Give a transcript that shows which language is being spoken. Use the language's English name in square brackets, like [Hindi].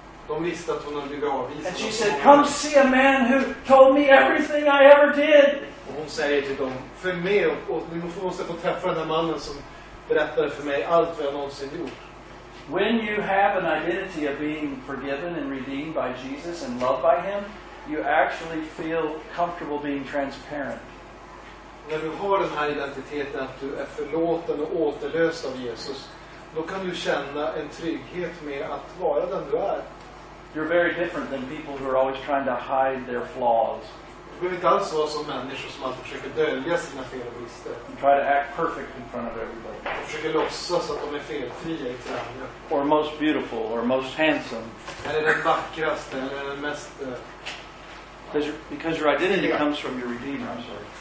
[English] And she said, come see a man who told me everything I ever did. [Swedish] Och hon säger till dem, för mig, och ni måste få träffa den mannen som berättade för mig allt vad jag någonsin gjort. [English] When you have an identity of being forgiven and redeemed by Jesus and loved by him, you actually feel comfortable being transparent. [Swedish] När du har den här identiteten att du är förlåten och återlöst av Jesus, då kan du känna en trygghet med att vara den du är. [English] You're very different than people who are always trying to hide their flaws. [Swedish] Du behöver inte alls vara som människor som alltid försöker dölja sina fel och brister. [English] And try to act perfect in front of everybody. [Swedish] Och försöker låtsas att de är felfria i andra. [English] Or most beautiful, or most handsome. [Swedish] Eller den vackraste, eller den mest... [English] Because your identity comes from your Redeemer, I'm sorry.